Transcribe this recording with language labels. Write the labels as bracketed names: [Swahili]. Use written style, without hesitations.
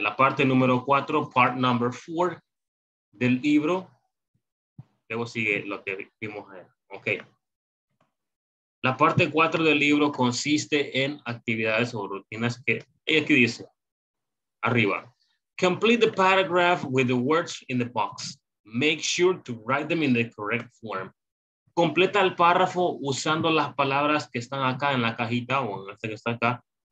[Spanish] La parte número 4, [English] part number 4 [Spanish] del libro. Luego sigue lo que vimos ayer. Ok. La parte 4 del libro consiste en actividades o rutinas que, y aquí dice, arriba. [English] Complete the paragraph with the words in the box. Make sure to write them in the correct form. [Spanish] Completa el párrafo usando las palabras que están acá en la cajita o en este que está acá.